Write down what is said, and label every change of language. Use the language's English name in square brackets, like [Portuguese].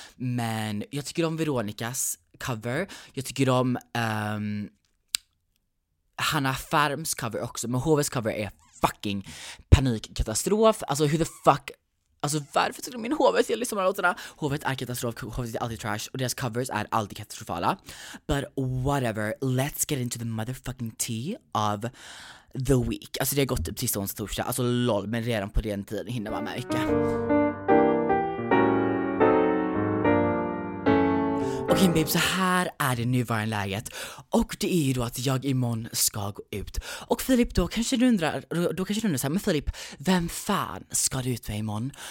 [Swedish] Men jag tycker om Veronicas cover. Jag tycker om Hanna Farms cover också. Men HVs cover är fucking panikkatastrof. Alltså hur [English] the fuck, [Swedish] alltså varför tycker du min HV till liksom låtarna? HV är katastrof, HV är alltid trash, och deras covers är alltid katastrofala. [English] But whatever, let's get into the motherfucking tea of the week. [Swedish] Alltså det har gått upp till tisdag, onsdag, torsdag. Alltså lol, men redan på den tiden hinner man märka. Okej okay, babe, så här är det nuvarande läget. Och det är ju då att jag imorgon ska gå ut. Och Philip, då kanske du undrar så här, men Philip, vem fan ska du ut med imorgon?